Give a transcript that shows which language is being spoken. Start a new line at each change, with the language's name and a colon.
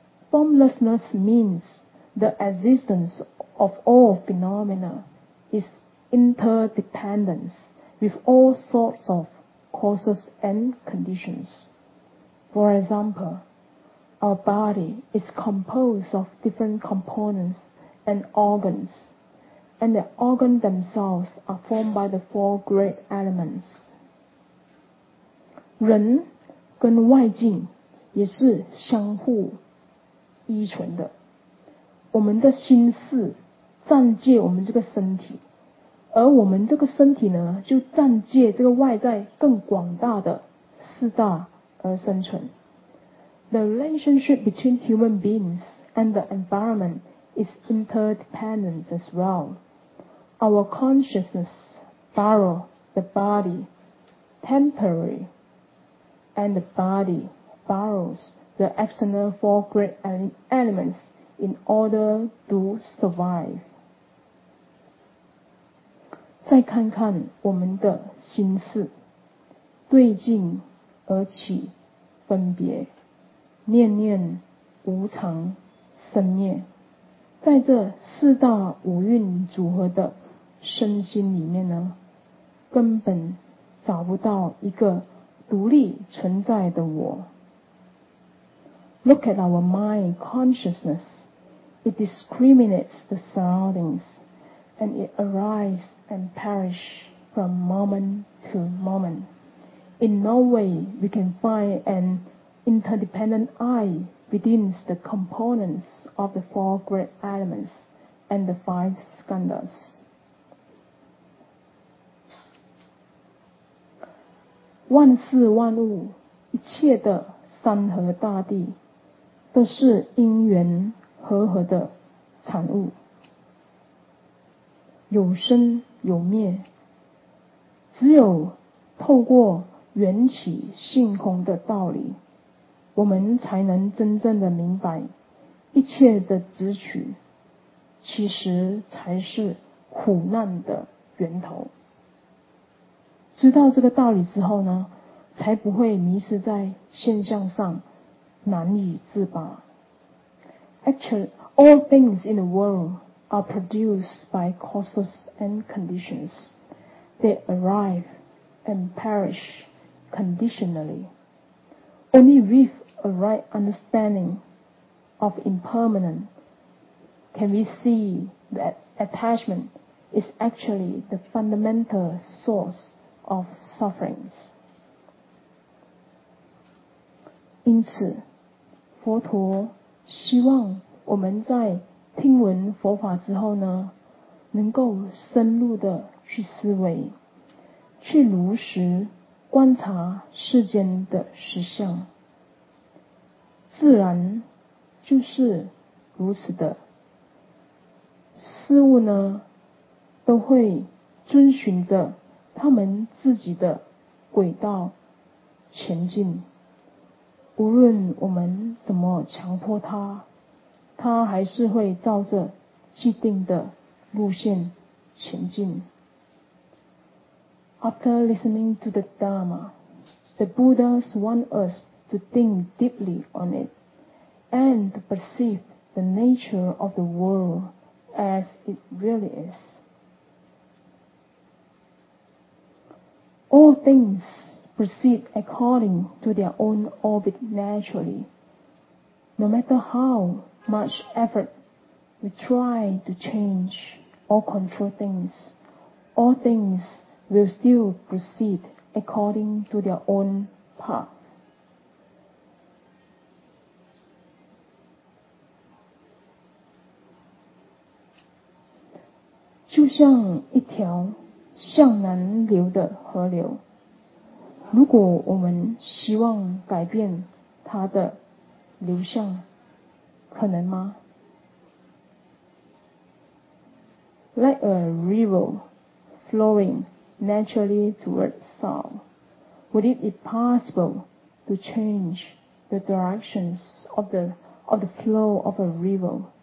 English: Formlessness means the existence of all phenomena is interdependence with all sorts of causes and conditions. For example,Our body is composed of different components and organs, and the organs themselves are formed by the four great elements.
Chinese: 人跟外境也是相互依存的。我们的心是暂借我们这个身体，而我们这个身体呢，就暂借这个外在更广大的四大而生存。
English: The relationship between human beings and the environment is interdependent as well. Our consciousness borrows the body temporarily, and the body borrows the external four great elements in order to survive.
Chinese: 再看看我们的心事，对境而起分别。念念无常生灭，在这四大五蕴组合的身心里面呢，根本找不到一个独立存在的我。
English: Look at our mind consciousness. It discriminates the surroundings and it arises and perishes from moment to moment. In no way we can find aninterdependent I within the components of the four great elements and the five skandhas.
Chinese: 万事万物，一切的山河大地，都是因缘和合的产物，有生有灭，只有透过缘起性空的道理，我们才能真正的明白，一切的执取其实才是苦难的源头。知道这个道理之后呢，才不会迷失在现象上难以自拔。
English: Actually, all things in the world are produced by causes and conditions. They arrive and perish conditionally. Only withA right understanding of impermanent, can we see that attachment is actually the fundamental source of sufferings.
Chinese: 因此，佛陀希望我们在听闻佛法之后呢，能够深入的去思维，去如实观察世间的实相。自然就是如此的，事物呢都会遵循着他们自己的轨道前进，无论我们怎么强迫它，它还是会照着既定的路线前进。
English: After listening to the Dharma, the Buddhas want us to think deeply on itAnd perceive the nature of the world as it really is. All things proceed according to their own orbit naturally. No matter how much effort we try to change or control things, all things will still proceed according to their own path.
Chinese: 就像一条向南流的河流，如果我们希望改变它的流向，可能吗？
English: Like a river flowing naturally towards south, would it be possible to change the directions of the flow of a river?